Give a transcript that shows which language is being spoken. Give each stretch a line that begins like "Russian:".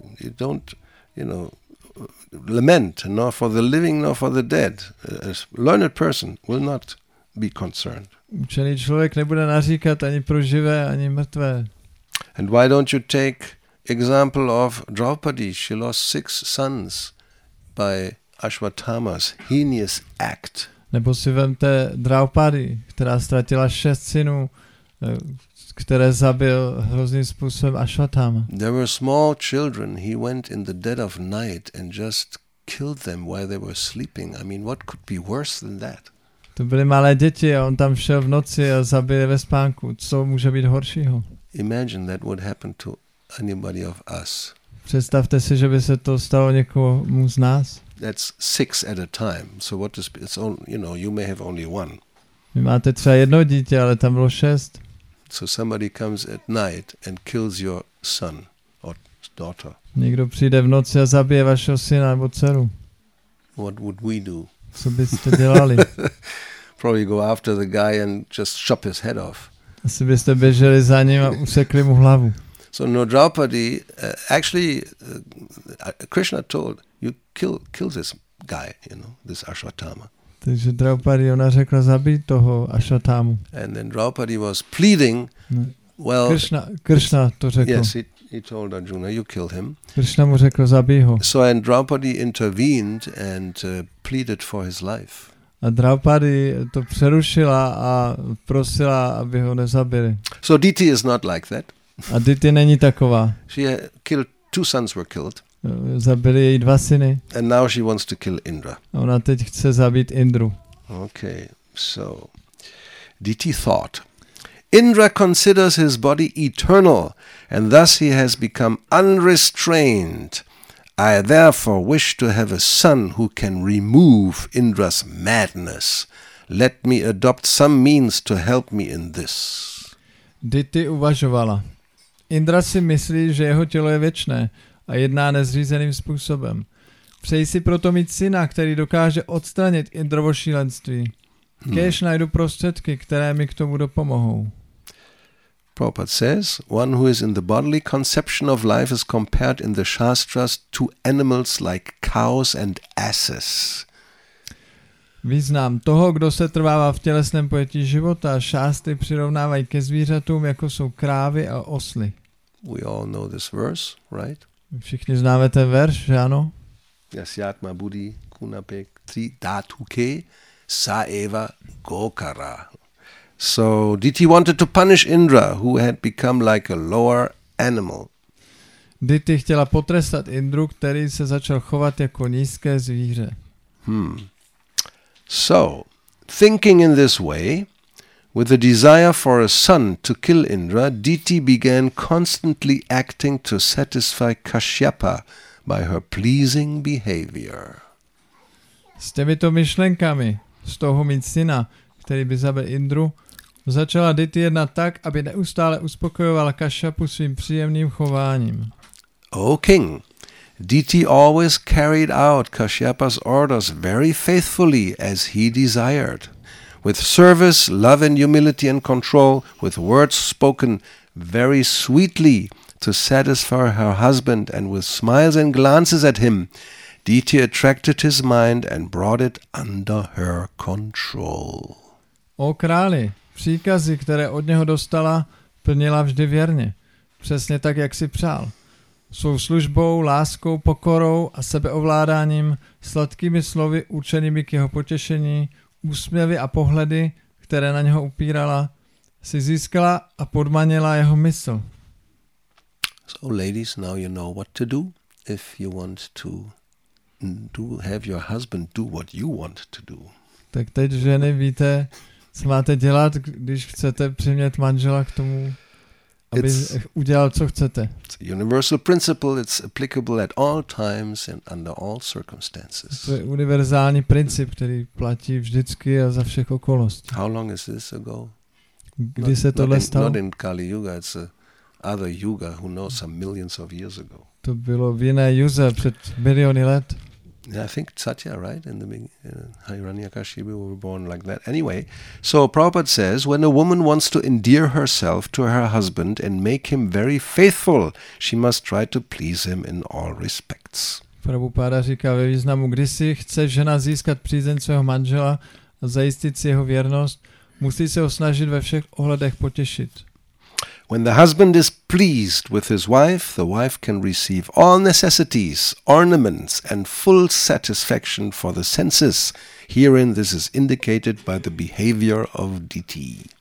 English: You don't, you know, lament nor for the living nor for the dead. A learned person will not be concerned.
Czech: Učený člověk nebude naříkat ani pro živé, ani mrtvé.
English: And why don't you take example of Draupadi? She lost 6 sons by Ashwatthama's heinous act.
Czech: Nebo si vemte Draupadi, která ztratila 6 synů, které zabil hrozným způsobem Ashwatthama.
English: There were small children. He went in the dead of night and just killed them while they were sleeping. I mean, what could be worse than that?
Czech: To byly malé děti a on tam šel v noci a zabil ve spánku. Co může být horšího?
English: Imagine that would happen to anybody of us.
Czech: Představte si, že by se to stalo někomu z nás.
English: That's 6 at a time. So what is it's all, you know, you may have only one.
Czech: Vy máte třeba jedno dítě, ale tam bylo 6.
English: So somebody comes at night and kills your son or daughter.
Czech: Někdo přijde v noci a zabije vašeho syna nebo dceru.
English: What would we do?
Czech: Co byste dělali?
English: Probably go after the guy and just chop his head off.
Czech: Asi byste běželi za ním a usekli mu hlavu.
English: So no Draupadi, actually Krishna told you kill this guy, you know, this Ashwatthama.
Czech: Takže Draupadi, ona řekla zabij toho Ashwatthamu.
English: And then Draupadi was pleading. Well,
Czech: Krishna to řekl.
English: Yes, he told Arjuna you kill him.
Czech: Krishna mu řekl zabij ho.
English: So and Draupadi intervened and pleaded for his life.
Czech: A Draupadi to přerušila a prosila, aby ho nezabili.
English: So Diti is not like that.
Czech: A Diti není taková.
English: She killed 2 sons were killed.
Czech: Zabili její 2 syny.
English: And now she wants to kill Indra.
Czech: A ona teď chce zabít Indru.
English: Okay. So Diti thought Indra considers his body eternal and thus he has become unrestrained. I therefore wish to have a son who can remove Indra's madness. Let me adopt some means to help me in this.
Czech: Diti uvažovala. Indra si myslí, že jeho tělo je věčné a jedná nezřízeným způsobem. Přeji si proto mít syna, který dokáže odstranit Indrovo šílenství. Kéž najdu prostředky, které mi k tomu dopomohou.
English: Prabhupada says, one who is in the bodily conception of life is compared in the Shastras to animals like cows and asses.
Czech: Význam toho, kdo se trvává v tělesném pojetí života, šástry přirovnávají ke zvířatům, jako jsou krávy a osly.
English: We all know this verse, right?
Czech: Všichni známe ten verš, že ano?
Sanskrit: Yasyatma buddhi kunapek tri datuke sa eva gokara.
English: So Diti wanted to punish Indra, who had become like a lower animal.
Czech: Diti chtěla potrestat Indru, který se začal chovat jako nízké zvíře.
English: So, thinking in this way, with a desire for a son to kill Indra, Diti began constantly acting to satisfy Kashyapa by her pleasing behavior.
Czech: S těmito myšlenkami, z toho mít syna, který by zabil Indru, Začala Diti jednat tak, aby neustále uspokojovala Kašapu svým příjemným chováním.
English: O king, Diti always carried out Kashyapa's orders very faithfully as he desired, with service, love and humility and control, with words spoken very sweetly to satisfy her husband and with smiles and glances at him, Diti attracted his mind and brought it under her control.
Czech: O králi, příkazy, které od něho dostala, plnila vždy věrně, přesně tak, jak si přál. Svou službou, láskou, pokorou a sebeovládáním, sladkými slovy určenými k jeho potěšení, úsměvy a pohledy, které na něho upírala, si získala a podmanila jeho mysl.
English: So ladies, now you know what to do if you want to do have your husband do what you want to do.
Czech: Tak teď ženy víte, co máte dělat, když chcete přimět manžela k tomu, aby udělal, co chcete.
English: It's a universal principle, it's applicable at all times and under all circumstances.
Czech: To je univerzální princip, který platí vždycky a za všech okolností.
English: How long is this ago?
Czech: Kdy se tohle stalo?
English: Not in Kali Yuga, it's a other Yuga who knows some millions of years ago.
Czech: To bylo v jiné Yuze před miliony let.
English: Yeah, I think Satya, right? In the Hiranyakashipu were born like that. Anyway, so Prabhupada says, when a woman wants to endear herself to her husband and make him very faithful, she must try to please him in all respects.
Czech: Prabhupada říká ve významu, když si chce žena získat přízeň svého manžela a zajistit si jeho věrnost, musí se ho snažit ve všech ohledech potěšit.
English: When the husband is pleased with his wife, the wife can receive all necessities, ornaments and full satisfaction for the senses. Herein this is indicated by the behavior of Diti.